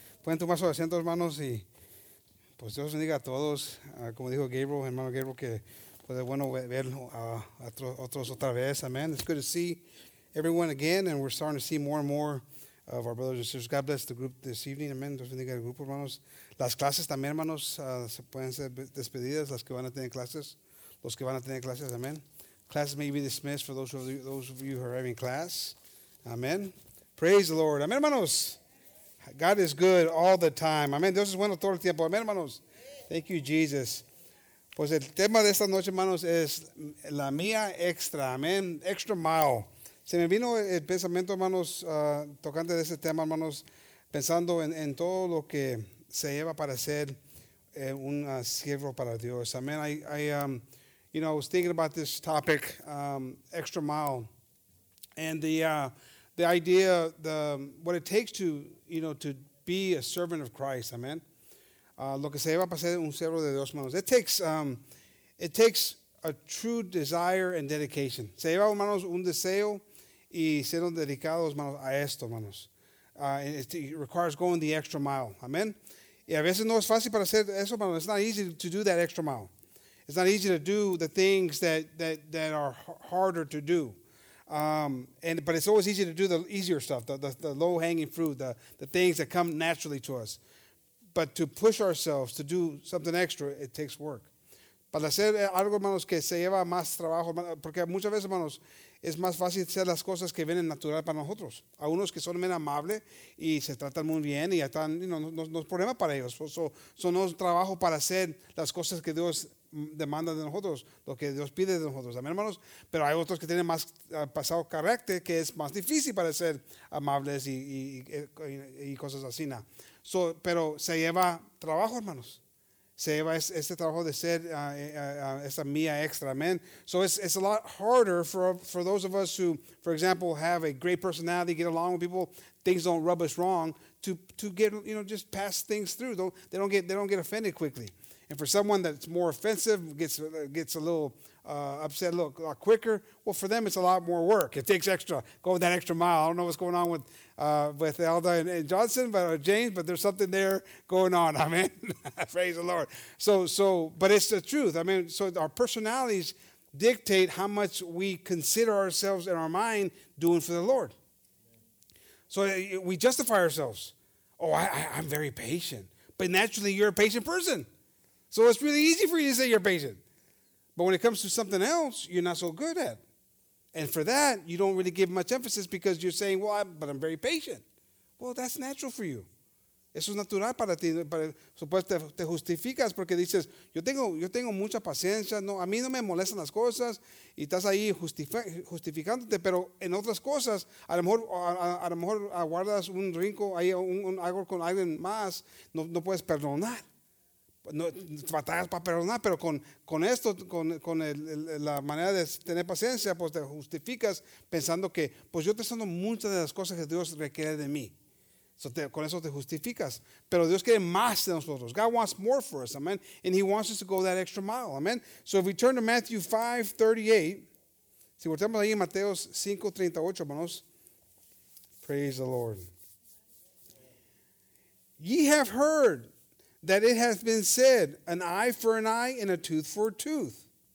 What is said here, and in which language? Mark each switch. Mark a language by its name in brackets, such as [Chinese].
[Spanish] Pueden tomar sus asientos, hermanos, y pues Dios bendiga a todos. Como dijo Gabriel, hermano Gabriel, que pues es bueno ver a otros otra vez. [English] Amen. It's good to see everyone again, and we're starting to see more and more of our brothers and sisters. God bless the group this evening. Amen. [Spanish] Dios bendiga el grupo, hermanos. Las clases también, hermanos, se pueden ser despedidas, las que van a tener clases, los que van a tener clases. [English] Amen. Classes may be dismissed for those of you who are having class. Amen. Praise the Lord. Amen, hermanos. God is good all the time. Amen. [Spanish] Dios es bueno todo el tiempo. [English] Amen, hermanos. Thank you, Jesus. [Spanish] Pues el tema de esta noche, hermanos, es la mía extra. Amen. [English] Extra mile. [Spanish] Se me vino el pensamiento, hermanos, tocante de ese tema, hermanos, pensando en todo lo que se lleva para ser un siervo para Dios. [English] Amen. I was thinking about this topic, extra mile, and the idea, what it takes to, you know, to be a servant of Christ. Amen. [Spanish] Lo que se lleva para ser un siervo de Dios, hermanos. [English] It takes a true desire and dedication. [Spanish] Se lleva, hermanos, un deseo y ser dedicados, hermanos, a esto, hermanos. [English] It requires going the extra mile. [Spanish] Amen. Y a veces no es fácil para hacer eso, hermanos. [English] It's not easy to do that extra mile. It's not easy to do the things that are harder to do. But it's always easy to do the easier stuff, the low-hanging fruit, the things that come naturally to us. But to push ourselves to do something extra, it takes work. [Spanish] Para hacer algo, hermanos, que se lleva más trabajo, porque muchas veces, hermanos, es más fácil hacer las cosas que vienen natural para nosotros. A unos que son bien amables y se tratan muy bien y ya están, no es problema para ellos. So no es trabajo para hacer las cosas que Dios demanda de nosotros, lo que Dios pide de nosotros. Amén, hermanos. Pero hay otros que tienen más pasado carácter, que es más difícil para ser amables y cosas así. Pero se lleva trabajo, hermanos. Se lleva este trabajo de ser esa mía extra, amen. [English] So it's a lot harder for those of us who, for example, have a great personality, get along with people, things don't rub us wrong, to get, you know, just pass things through. They don't get offended quickly. And for someone that's more offensive, gets a little upset a lot quicker, well, for them it's a lot more work. It takes extra, go that extra mile. I don't know what's going on with Elda and Johnson, but James, but there's something there going on. Amen. Praise the Lord. So, but it's the truth. I mean, so our personalities dictate how much we consider ourselves in our mind doing for the Lord. So we justify ourselves. Oh, I'm very patient. But naturally, you're a patient person. So it's really easy for you to say you're patient. But when it comes to something else, you're not so good at. And for that, you don't really give much emphasis because you're saying, well, I'm very patient. Well, that's natural for you. [Spanish] Eso es natural para ti. Supuesto te justificas porque dices, yo tengo mucha paciencia. No, a mí no me molestan las cosas. Y estás ahí justificándote. Pero en otras cosas, a lo mejor guardas un rincón ahí, un algo con alguien más. No puedes perdonar. No, batallas para perdonar, pero con esto, con la manera de tener paciencia, pues te justificas pensando que, pues yo te estoy dando muchas de las cosas que Dios requiere de mí. Con eso te justificas. Pero Dios quiere más de nosotros. [English] God wants more for us, amen. And he wants us to go that extra mile, amen. So if we turn to Matthew 5:38, [Spanish] si volteamos ahí en Mateo 5:38, hermanos, [English] praise the Lord. Ye have heard that it hath been said, an eye for an eye and a tooth for a tooth.